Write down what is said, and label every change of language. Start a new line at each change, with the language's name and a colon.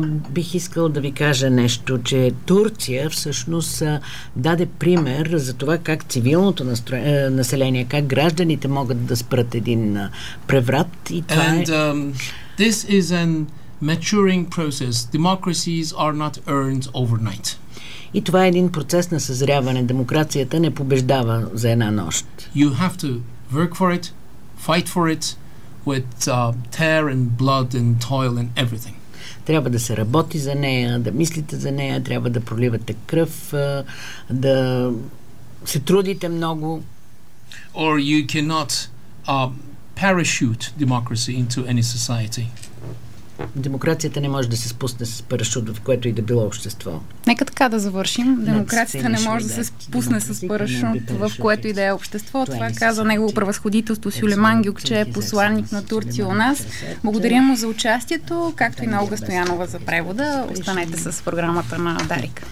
Bulgarian: Бих искал да ви кажа нещо, че Турция всъщност даде пример за това как цивилното население, как гражданите могат да спрат един преврат. И това
English: This is a maturing process. Democracies are not earned overnight.
Bulgarian: И това е един процес на съзряване. Демокрацията не побеждава за една нощ.
English: You have to work for it, fight for it, with tear and blood and toil and everything.
Bulgarian: Трябва да се работи за нея, да мислите за нея, трябва да проливате кръв, да се трудите много.
English: Or you cannot parachute democracy into any society.
Bulgarian: Демокрацията не може да се спусне с парашут, в което и да било общество. Нека така да завършим. Демокрацията не може да се спусне с парашут, в което и да е общество. Това каза негово превъзходителство Сюлейман Гюкче, посланник на Турция у нас. Благодаря му за участието, както и на Олга Стоянова за превода. Останете с програмата на Дарик.